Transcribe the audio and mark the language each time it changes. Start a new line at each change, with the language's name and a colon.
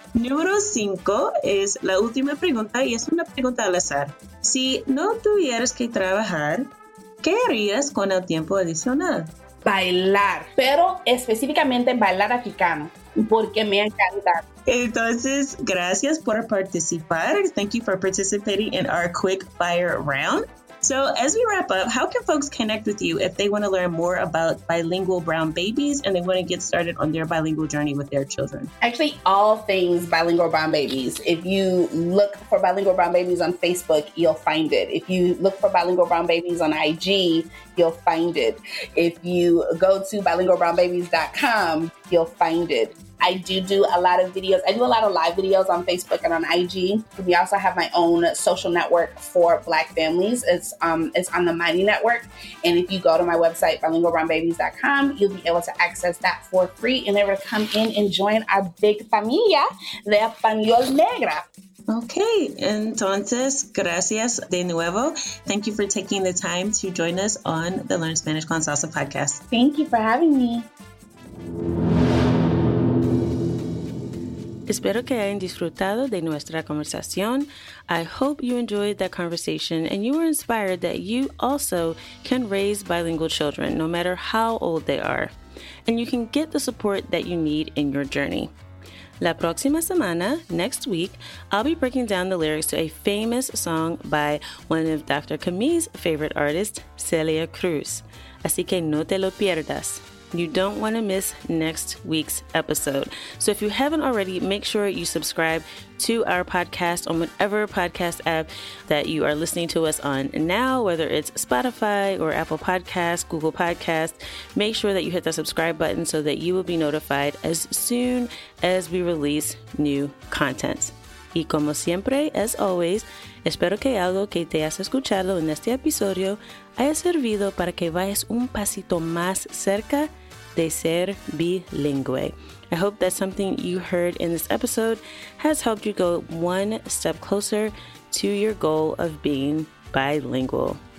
Spanish: Número 5 es la última pregunta y es una pregunta al azar. Si no tuvieras que trabajar, ¿qué harías con el tiempo adicional? Bailar, pero específicamente bailar africano, porque me encanta. Entonces, gracias por participar.
English: Thank you for participating in our quick fire round. So, as we wrap up, how can folks connect with you if they want to learn more about bilingual brown babies and they want to get started on their bilingual journey with their children? Actually, all things bilingual brown babies. If you look for bilingual brown babies on Facebook, you'll find it. If you look for bilingual brown babies on IG, you'll find it. If you go to bilingualbrownbabies.com, you'll find it. I do a lot of videos. I do a lot of live videos on Facebook and on IG. We also have my own social network for Black families. It's on the Mighty Network. And if you go to my website, bilingualbrownbabies.com, you'll be able to access that for free and ever come in and join our big
Spanish: familia de Español Negra. Okay, entonces, gracias de nuevo.
English: Thank you for taking the time to join us on the Learn Spanish con Salsa podcast. Thank you for having me.
Spanish: Espero que hayan disfrutado de nuestra conversación.
English: I hope you enjoyed that conversation and you were inspired that you also can raise bilingual children, no matter how old they are. And you can get the support that you need in your journey.
Spanish: La próxima semana,
English: next week, I'll be breaking down the lyrics to a famous song by one of Dr. Camille's favorite artists,
Spanish: Celia Cruz. Así que no te lo pierdas.
English: You don't want to miss next week's episode. So if you haven't already, make sure you subscribe to our podcast on whatever podcast app that you are listening to us on now, whether it's Spotify or Apple Podcasts, Google Podcasts. Make sure that you hit that subscribe button so that you will be notified as soon as we release new content.
Spanish: Y como siempre,
English: as always,
Spanish: espero que algo que te has escuchado en este episodio haya servido para que vayas un pasito más cerca de ser bilingüe.
English: I hope that something you heard in this episode has helped you go one step closer to your goal of being bilingual.